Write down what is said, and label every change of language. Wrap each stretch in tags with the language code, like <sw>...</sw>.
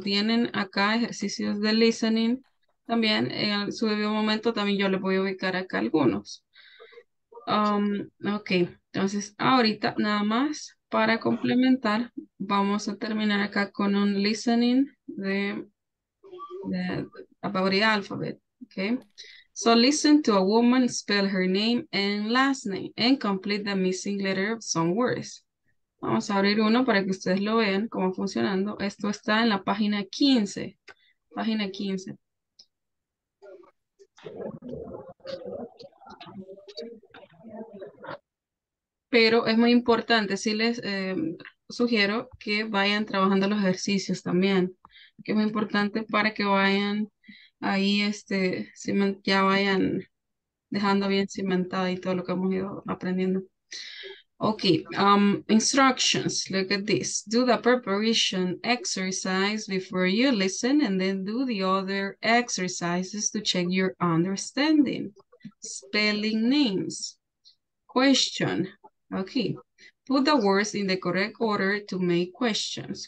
<es>Tienen acá ejercicios de listening también. En su debido momento también yo les voy a ubicar acá algunos. Ok, entonces ahorita nada más para complementar vamos a terminar acá con un listening de...</es> <en>about the alphabet, okay? So listen to a woman spell her name and last name and complete the missing letter of some words.</en> <es>Vamos a abrir uno para que ustedes lo vean cómo funcionando. Esto está en la página 15. Página 15. Pero es muy importante, si les sugiero que vayan trabajando los ejercicios también. Que es muy importante para que vayan ahí, ya vayan dejando bien cimentada y todo lo que hemos ido aprendiendo.</es> <en>Ok, instructions, look at this. Do the preparation exercise before you listen and then do the other exercises to check your understanding. Spelling names. Question, ok. Put the words in the correct order to make questions.</en>